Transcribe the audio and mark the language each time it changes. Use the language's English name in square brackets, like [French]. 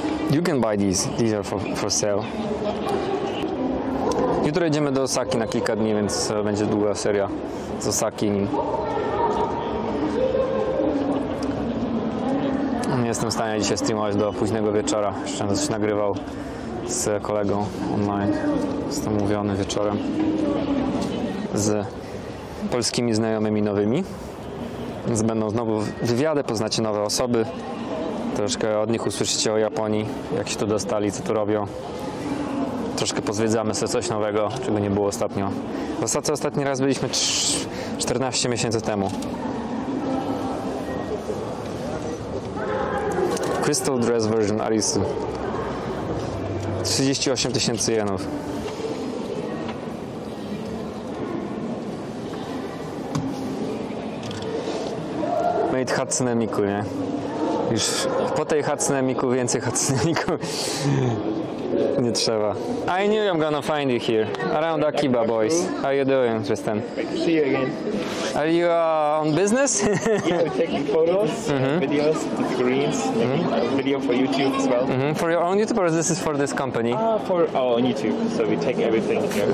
[English] You can buy these are for sale. [Polish] Jutro jedziemy do Osaki na kilka dni, więc będzie długa seria z Osaki. Nie jestem w stanie dzisiaj streamować do późnego wieczora. Jeszcze coś nagrywał z kolegą online. Jestem umówiony wieczorem z polskimi znajomymi nowymi. Więc będą znowu wywiady, poznacie nowe osoby. Troszkę od nich usłyszycie o Japonii, jak się tu dostali, co tu robią. Troszkę pozwiedzamy sobie coś nowego, czego nie było ostatnio. W Osace ostatni raz byliśmy 14 miesięcy temu. Crystal Dress Version Arisu. 38 tysięcy jenów. Made Hatsune Miku, nie? Już po tej Hatsune Miku więcej Hatsune Miku nie trzeba. [English] I knew I'm gonna find you here. Around Akiba, boys. How you doing, Tristan? Good to see you again. Are you on business? Yeah, we're taking photos, videos, screens, video for YouTube as well. Mm-hmm. For your own YouTube, or is this for this company? For our own YouTube, so we take everything here.